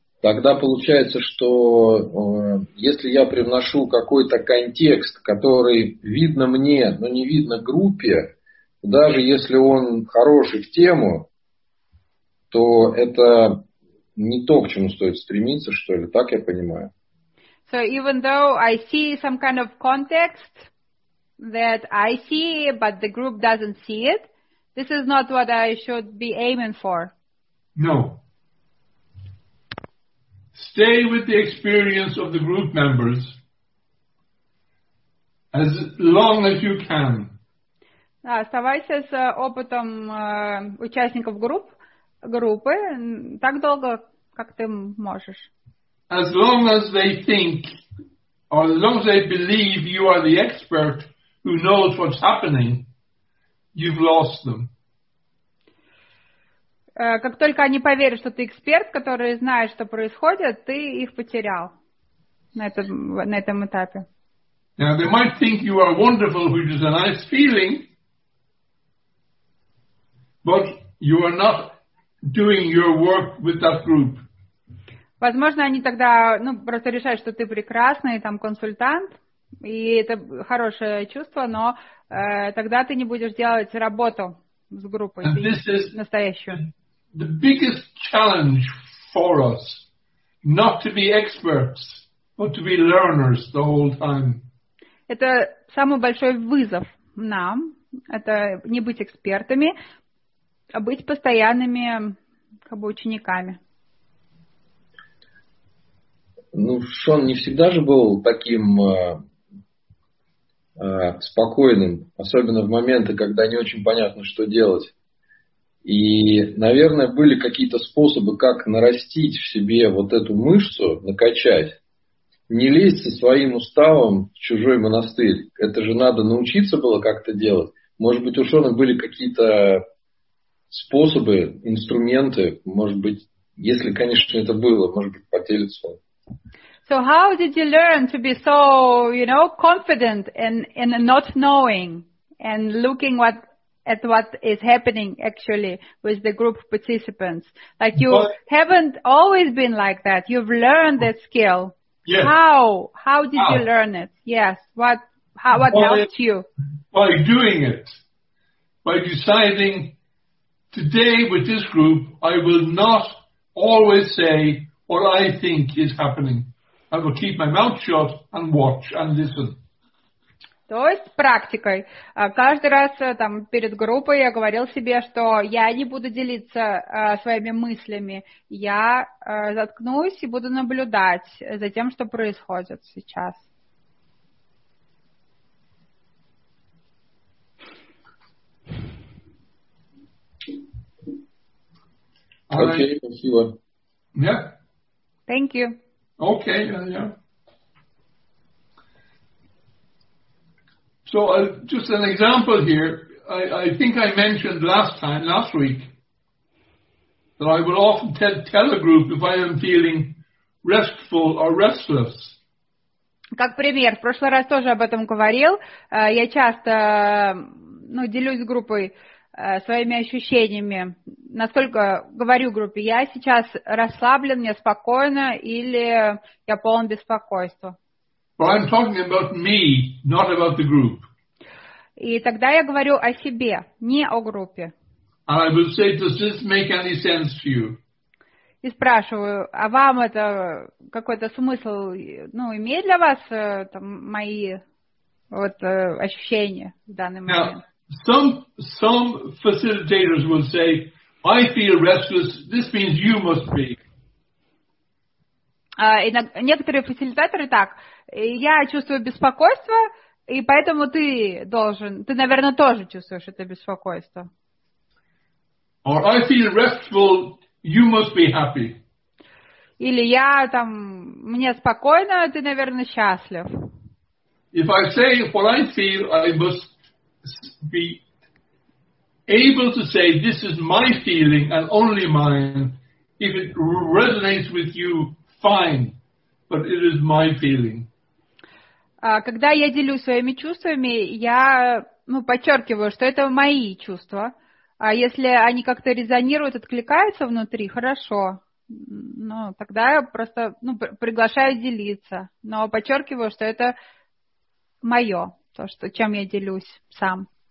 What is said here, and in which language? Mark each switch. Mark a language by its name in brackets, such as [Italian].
[Russian] Тогда получается, что если я привношу какой-то контекст, который видно мне, но не видно группе, даже если он хороший в тему, то это не то, к чему стоит стремиться, что ли, так я понимаю. [English] So even though I see some kind of context that I see, but the group doesn't see it, this is not what I should be aiming for. No. Stay with the experience of the group members as long as you can. [Russian] Да, оставайся с опытом участников группы так долго, как ты можешь. [English] As long as they think, or as long as they believe you are the expert who knows what's happening, you've lost them. [Russian] Как только они поверят, что ты эксперт, который знает, что происходит, ты их потерял на этом этапе. [English] Now they might think you are wonderful, which is a nice feeling, but you are not doing your work with that group. [Russian] Возможно, они тогда просто решают, что ты прекрасный там консультант, и это хорошее чувство, но тогда ты не будешь делать работу с группой настоящую. [English] The biggest challenge for us not to be experts, but to be learners the whole time. [Russian] Это самый большой вызов нам, это не быть экспертами, а быть постоянными как бы учениками. Ну, Шон не всегда же был таким спокойным, особенно в моменты, когда не очень понятно, что делать. И, наверное, были какие-то способы, как нарастить в себе вот эту мышцу, накачать, не лезть со своим уставом в чужой монастырь. Это же надо научиться было как-то делать. Может быть, у Шона были какие-то способы, инструменты, может быть, если, конечно, это было, может быть, поделиться. [English] So how did you learn to be so, confident in not knowing and looking at what is happening actually with the group of participants? Like you haven't always been like that. You've learned that skill. Yes. How did you learn it? Yes. What helped you? By doing it. By deciding today with this group, I will not always say what I think is happening. I will keep my mouth shut and watch and listen. [Russian] То есть практикой. Каждый раз там перед группой я говорил себе, что я не буду делиться своими мыслями. Я заткнусь и буду наблюдать за тем, что происходит сейчас. Окей, спасибо. [English] Yeah. Thank you. Okay, yeah. So just an example here. I think I mentioned last week, that I will often tell a group if I am feeling restful or restless. [Russian] Как пример, в прошлый раз тоже об этом говорил. Я часто, ну, делюсь с группой своими ощущениями. Насколько говорю группе, я сейчас расслаблен, мне спокойно, или я полон беспокойства. [English] But I'm talking about me, not about the group. [Russian] И тогда я говорю о себе, не о группе. [English] And I will say, does this make any sense to you? [Russian] И спрашиваю, а вам это какой-то смысл, ну, имеет для вас там, мои вот ощущения в данный момент? [English] Now, some facilitators will say, I feel restless, this means you must be. [Russian] Некоторые фасилитаторы так, я чувствую беспокойство, и поэтому ты должен, ты, наверное, тоже чувствуешь это беспокойство. [English] Or I feel restful, you must be happy. [Russian] Или я там, мне спокойно, ты, наверное, счастлив. [English] If I say what I feel, I must be able to say this is my feeling and only mine. If it resonates with you, fine, but it is my feeling. [Russian] Когда я делюсь своими чувствами, я, ну, подчеркиваю, что это мои чувства. А если они как-то резонируют, откликаются внутри, хорошо. Ну, тогда я просто, ну, приглашаю делиться. Но подчеркиваю, что это мое, то, что, чем я делюсь сам.